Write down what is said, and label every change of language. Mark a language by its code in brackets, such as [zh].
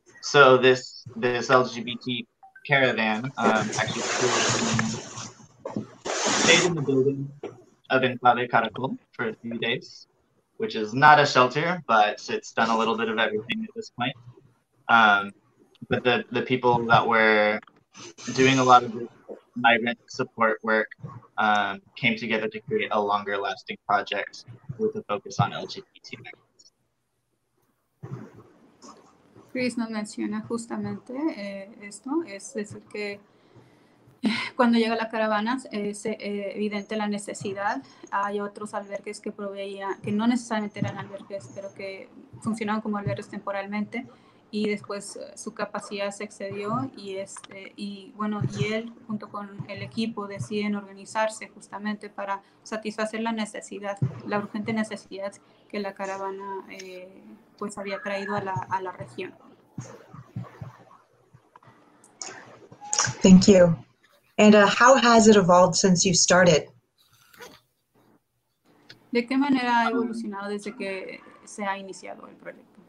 [en] So this LGBT caravan stayed in the building of Enclave Caracol for a few days, which is not a shelter, but it's done a little bit of everything at this point. But the people that were doing a lot of migrant support work came together to create a longer lasting project with a focus on LGBT migrants. [es] Chris nos menciona justamente esto, es decir que cuando llega la caravana es evidente la necesidad. Hay otros albergues que proveían, que no necesariamente eran albergues, pero que funcionaban como albergues temporalmente. Y después su capacidad se excedió y él junto con el equipo deciden organizarse justamente para satisfacer la necesidad, la urgente necesidad que la caravana pues había traído a la región. [en] Thank you. And how has it evolved since you started? [es] ¿De qué manera ha evolucionado desde que se ha iniciado el proyecto?